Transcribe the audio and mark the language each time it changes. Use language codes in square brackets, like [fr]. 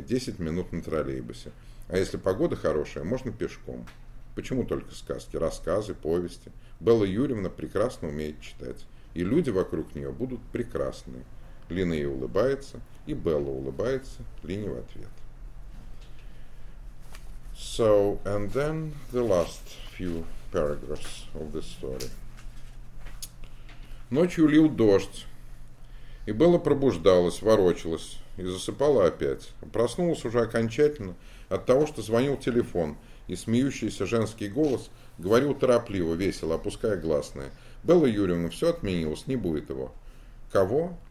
[ru] 10 минут на троллейбусе. А если погода хорошая, можно пешком. Почему только сказки? Рассказы, повести. Белла Юрьевна прекрасно умеет читать. И люди вокруг нее будут прекрасны». Лина ей улыбается, и Белла улыбается Лине в ответ. [en] So, and then the last few paragraphs of the story. [ru] Ночью лил дождь, и Белла пробуждалась, ворочалась и засыпала опять. Проснулась уже окончательно от того, что звонил телефон, и смеющийся женский голос говорил торопливо, весело, опуская гласные. «Белла Юрьевна, все отменилось, не будет его». «Кого?»